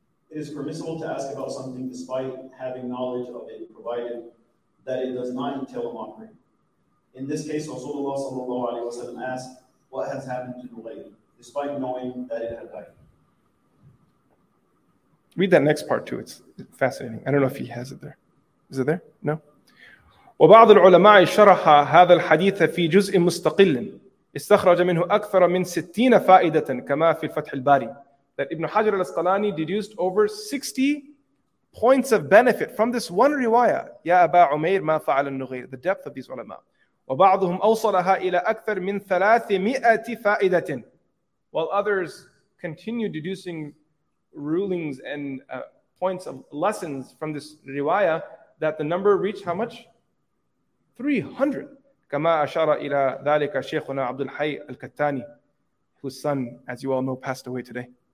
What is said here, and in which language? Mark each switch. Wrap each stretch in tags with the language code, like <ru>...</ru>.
<en>It is permissible to ask about something despite having knowledge of it, provided that it does not entail a mockery. In this case, Rasulullah sallallahu alayhi wa sallam asked, "What has happened to the lady?" despite knowing that it had died. Read that next part too. It's fascinating. I don't know if he has it there. Is it there? No.</en> <ar>وبعض العلماء شرح هذا الحديث في جزء مستقل استخرج منه أكثر من 60 فائدة كما في الفتح الباري.</ar> <en>That Ibn Hajar al-Asqalani deduced over 60 points of benefit from this one riwayah.</en> <ar>يا أبا عمير ما فعل النغير.</ar> <en>The depth of these علماء.</en> <ar>وبعضهم أوصلها إلى أكثر من 300 فائدة.</ar> <en>While others continue deducing rulings and points of lessons from this riwayah, that the number reached how much? 300.</en> <ar>كما أشار إلى ذلك شيخنا عبد الحي الكتاني,</ar> <en>whose son, as you all know, passed away today.</en>